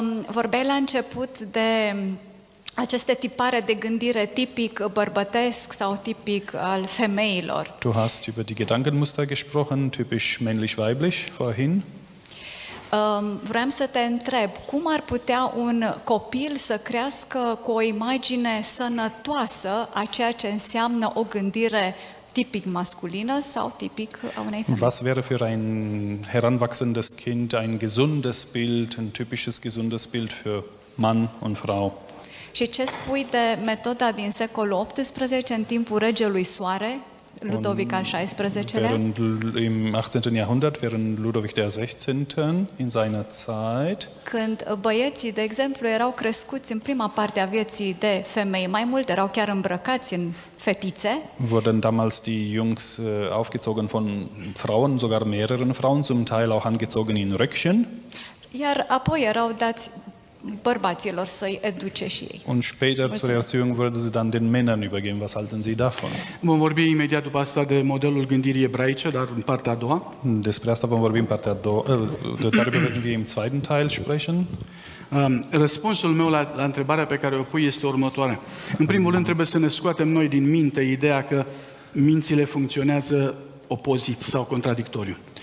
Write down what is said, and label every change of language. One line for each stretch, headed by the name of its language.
Romanian: Vorbeai la început de aceste tipare de gândire tipic bărbătesc sau tipic al femeilor.
German: Du hast über die Gedankenmuster gesprochen, typisch männlich-weiblich, vorhin.
Romanian: Vreau să te întreb, cum ar putea un copil să crească cu o imagine sănătoasă a ceea ce înseamnă o gândire tipic masculină sau tipic a unei femei?
German: Was wäre für ein heranwachsendes Kind ein gesundes Bild, ein typisches gesundes Bild für Mann und Frau?
Romanian: Și ce spui de metoda din secolul 18 în timpul regelui Soare, Ludovic al 16-lea?
German: Während im 18. Jahrhundert, während Ludovic der 16. in seiner Zeit,
Romanian: când băieții, de exemplu, erau crescuți în prima parte a vieții de femei, mai mult erau chiar îmbrăcați în fetițe.
German: Wurden damals die Jungs aufgezogen von Frauen, sogar mehreren Frauen, zum Teil auch angezogen in Röckchen.
Romanian: Iar apoi erau dați bărbaților să-i educe și ei.
German: Und später zur Erziehung wurde sie dann den Männern übergeben. Was halten Sie davon?
Romanian: Vom vorbi imediat după asta de modelul gândirii ebraice, dar în partea a doua. Despre asta vom vorbi în partea a doua.
German: Darüber werden wir im zweiten Teil sprechen.
Romanian: Răspunsul meu la întrebarea pe care o pui este următoare. În primul rând trebuie să ne scoatem noi din minte ideea că mințile funcționează opozit sau contradictoriu.